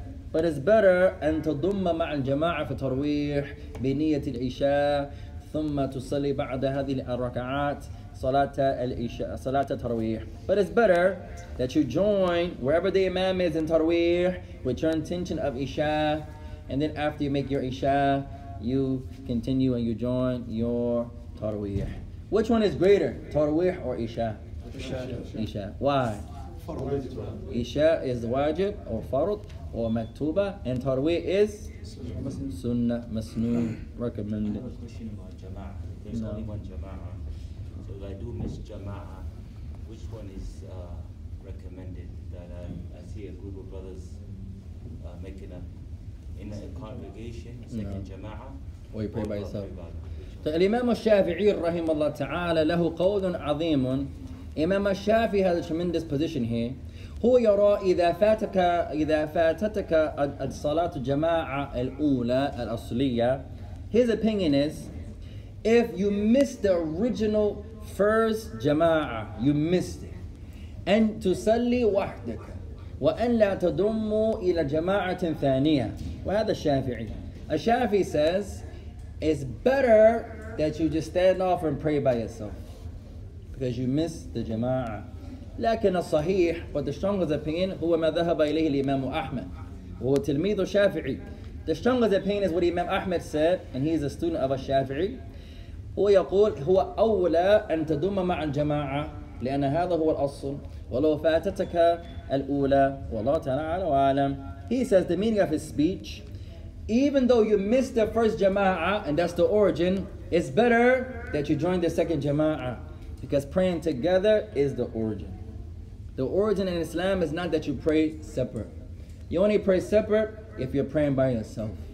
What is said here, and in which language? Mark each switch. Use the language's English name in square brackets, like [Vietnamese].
[English] But it's better [Arabic] أن تضم مع الجماعة في ترويح بنية العشاء ثم تصلي بعد هذه الركعات صلاة العشاء صلاة ترويح. [English] But it's better that you join wherever the imam is in ترويح with your intention of Isha, and then after you make your Isha, you continue and you join your ترويح. Which one is greater, ترويح or Isha? Isha. Why? Farud. Isha is wajib or farud or maktuba, and tarawih is sunnah, masnoon, recommended. I have a question about jama'ah. There's only one jama'ah. So if I do miss jama'ah, which one is recommended? That I see a group of brothers making a in a congregation, second jama'ah. Or you pray by yourself. So Imam al-Shafi'i [Arabic] rahimahullah ta'ala lahu qawlun azeemun. [English] Imam al-Shafi'i has a tremendous position here. [Arabic] هو يرى إذا فاتتك الصلاة الجماعة الأولى الأصلية. [English] His opinion is, if you miss the original first jama'a, you missed it. [Arabic] أن تصلي وحدك وأن لا تضم إلى جماعة ثانية. وهذا الشافعي. [English] الشافعي says, it's better that you just stand off and pray by yourself because you missed the jama'a. [Arabic] لكن الصحيح, [English] but the strongest opinion, [Arabic] هو ما ذهب إليه الإمام أحمد وهو تلميذ الشافعي. [English] The strongest opinion is what Imam Ahmed said, and he is a student of الشافعي. [Arabic] هو يقول هو أولى أن تدوم مع الجماعة لأن هذا هو الأصل ولو فاتتك الأولى والله تعالى على وعلم. [English] He says the meaning of his speech, even though you missed the first جماعة and that's the origin, it's better that you join the second جماعة because praying together is the origin. The origin in Islam is not that you pray separate. You only pray separate if you're praying by yourself.